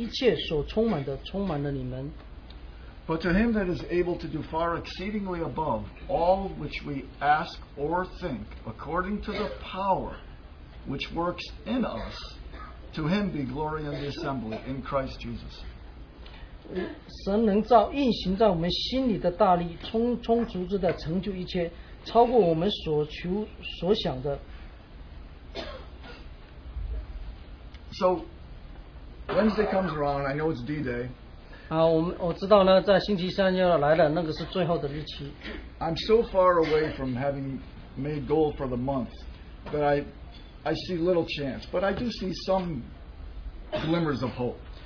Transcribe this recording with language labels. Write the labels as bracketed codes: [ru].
[zh] 能以和众圣徒一同明白基督的爱是何等的长阔高深，并知道这爱是过于人能所能测度，便叫神一切所充满的，充满了你们。 [en] But to him that is able to do far exceedingly above all which we ask or think, according to the power which works in us, to him be glory in the assembly in Christ Jesus. [zh] 神能造运行在我们心里的大力，充充足足的成就一切，超过我们所求所想的。 [en] So, Wednesday comes around, I know it's D-Day. [zh] 我知道呢，在星期三要来的那个是最后的日期。 [en] I'm so far away from having made gold for the month that I see little chance, but I do see some glimmers of hope.